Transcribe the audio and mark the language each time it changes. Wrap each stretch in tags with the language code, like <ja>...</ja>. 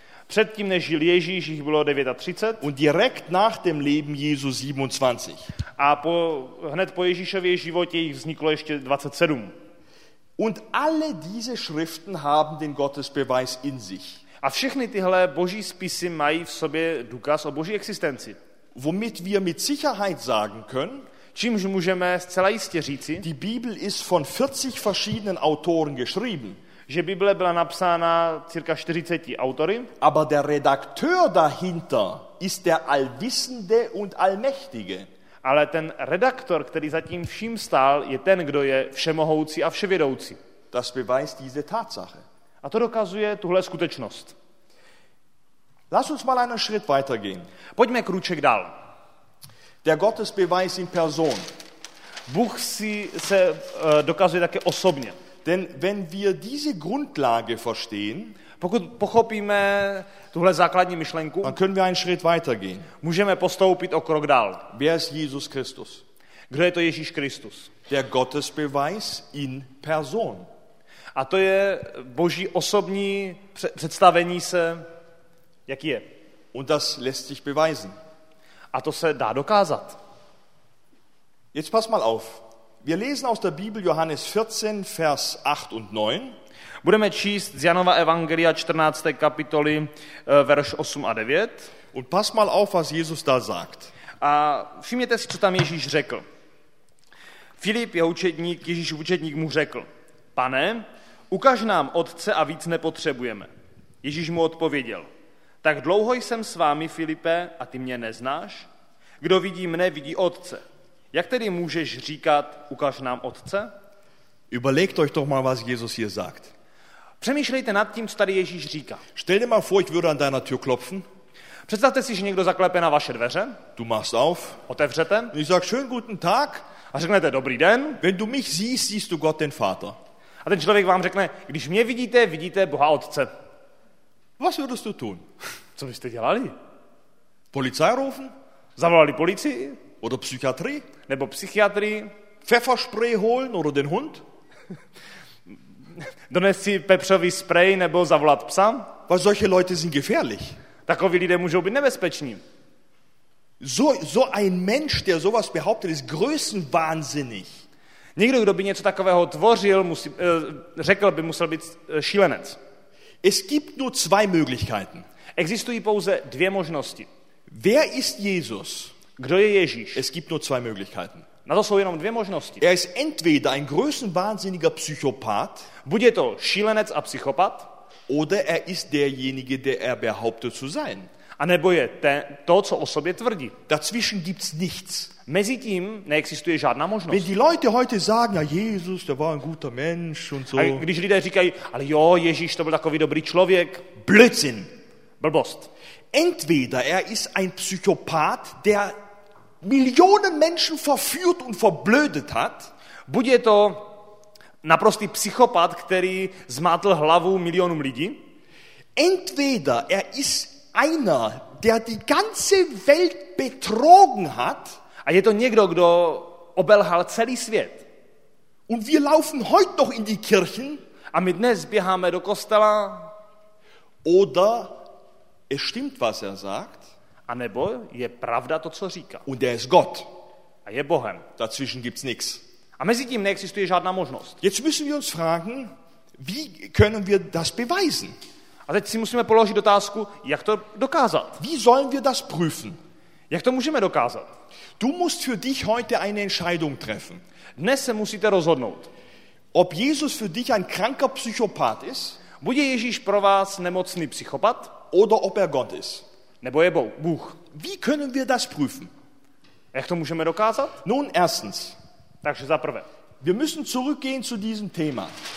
<cs>předtím než žil Ježíš, jich bylo 39,</cs> <de>und direkt nach dem Leben Jesu 27.</de> <cs>A hned po Ježíšově životě jich vzniklo ještě 27.</cs> <de>Und alle diese Schriften haben den Gottesbeweis in sich.</de> <cs>A všechny tyhle boží spisy mají v sobě důkaz o boží existenci.</cs> <de>Womit wir mit Sicherheit sagen können,</de> <cs>čímž můžeme zcela jistě říci,</cs> <de>die Bibel ist von 40 verschiedenen Autoren geschrieben,</de> <cs>že Bible byla napsána cirka 40 autory,</cs> <de>aber der Redakteur dahinter ist der Allwissende und Allmächtige.</de> <cs>Ale ten redaktor, který za tím vším stál, je ten, kdo je všemohoucí a vševědoucí.</cs> <de>Das beweist diese Tatsache.</de> <cs>A to dokazuje tuhle skutečnost.</cs> <de>Lass uns mal einen Schritt weitergehen.</de> <cs>Pojďme krůček dál.</cs> <de>Der Gottesbeweis in Person.</de> <cs>Bůh si se dokazuje také osobně.</cs> <de>Denn wenn wir diese Grundlage verstehen,</de> <cs>pokud pochopíme tuhle základní myšlenku,</cs> <de>dann können wir einen Schritt weitergehen.</de> <cs>Můžeme postoupit o krok dál.</cs> <de>Wer ist Jesus Christus?</de> <cs>Kdo je to Ježíš Kristus?</cs> <de>Der Gottesbeweis in Person.</de> <cs>A to je boží osobní představení se, jaký je.</cs> <de>Und das lässt sich beweisen.</de> <cs>A to se dá dokázat.</cs> <de>Jetzt pass mal auf. Wir lesen aus der Bibel Johannes 14, Vers 8 und 9.</de> <cs>Budeme číst z Janova Evangelia 14. kapitoly, verš 8 a 9.</cs> <de>Und pass mal auf, was Jesus da sagt.</de> <cs>A všimněte si, co tam Ježíš řekl. Filip, jeho učedník, Ježíšův učedník mu řekl: Pane, ukaž nám Otce a víc nepotřebujeme. Ježíš mu odpověděl: Tak dlouho jsem s vámi, Filipe, a ty mě neznáš? Kdo vidí mne, vidí Otce. Jak tedy můžeš říkat, ukaž nám Otce?</cs> <de>Überlegt euch doch mal, was Jesus hier sagt.</de> <cs>Přemýšlejte nad tím, co tady Ježíš říká.</cs> <de>Stell dir mal vor, ich würde an deiner Tür klopfen.</de> <cs>Představte si, že někdo zaklepe na vaše dveře.</cs> <de>Du machst auf.</de> <cs>Otevřete.</cs> <de>Ich sag schön guten Tag.</de> <cs>A řeknete dobrý den.</cs> <de>Wenn du mich siehst, siehst du Gott den Vater.</de> <cs>A ten člověk vám řekne, když mě vidíte, vidíte Boha Otce.</cs> <de>Was würdest du tun?</de> <cs>Co byste dělali?</cs> <de>Polizei rufen?</de> <cs>Zavolali policii?</cs> <de>Oder Psychiatrie?</de> <cs>Nebo psychiatrii?</cs> <de>Pfefferspray holen oder den Hund?</de> <cs>Donesť si pepřový sprej nebo zavolat psa?</cs> <de>Weil solche Leute sind gefährlich.</de> <cs>Takoví lidé můžou být nebezpeční.</cs> <de>So ein Mensch, der sowas behauptet, ist größenwahnsinnig.</de> <cs>Někdo, kdo by něco takového tvořil, řekl by, musel být šílenec.</cs> <de>Es gibt nur zwei Möglichkeiten.</de> <cs>Existují pouze dvě možnosti.</cs> <de>Wer ist Jesus?</de> <cs>Kdo je Ježíš?</cs> <de>Es gibt nur zwei Möglichkeiten.</de> <cs>Na to jsou jenom dvě možnosti.</cs> <de>Er ist entweder ein größenwahnsinniger Psychopath.</de> <cs>Buď je to šílenec a psychopat.</cs> <de>Oder er ist derjenige, der er behauptet zu sein.</de> <cs>A nebo je to, co o sobě tvrdí.</cs> <de>Dazwischen gibt's nichts.</de> <cs>Mezi tím neexistuje žádná možnost.</cs> <de>Wenn die Leute heute sagen, ja Jesus, der war ein guter Mensch und so.</de> <cs>A když lidé říkají, ale jo, Ježíš, to byl takový dobrý člověk.</cs> <de>Blödsinn.</de> <cs>Blbost.</cs> <de>Entweder er ist ein Psychopath, der Millionen Menschen verführt und verblödet hat.</de> <cs>Buď je to naprostý psychopat, který zmátl hlavu milionům lidí.</cs> <de>Entweder er ist einer, der die ganze Welt betrogen hat.</de> <cs>A je to někdo, kdo obelhal celý svět.</cs> <de>Und wir laufen heute noch in die Kirchen.</de> <cs>A my dnes běháme do kostela.</cs> <de>Oder es stimmt, was er sagt.</de> <cs>A nebo je pravda to, co říká.</cs> <de>Und er ist Gott.</de> <cs>A je Bohem.</cs> <de>Dazwischen gibt's nichts.</de> <cs>A mezi tím neexistuje žádná možnost.</cs> <de>Jetzt müssen wir uns fragen, wie können wir das beweisen?</de> <cs>A teď si musíme položit otázku, jak to dokázat.</cs> <de>Wie sollen wir das prüfen?</de> <cs>Jak to můžeme dokázat?</cs> <de>Du musst für dich heute eine Entscheidung treffen.</de> <cs>Dnes se musíte rozhodnout.</cs> <de>Ob Jesus für dich ein kranker Psychopath ist?</de> <cs>Bude Ježíš pro vás nemocný psychopat?</cs> <de>Oder ob er Gott ist?</de> <cs>Nebo je Bůh?</cs> <de>Wie können wir das prüfen?</de> <cs>Jak to můžeme dokázat?</cs> <de>Nun, erstens.</de> <cs>Takže zaprvé.</cs> <de>Wir müssen zurückgehen zu diesem Thema.</de>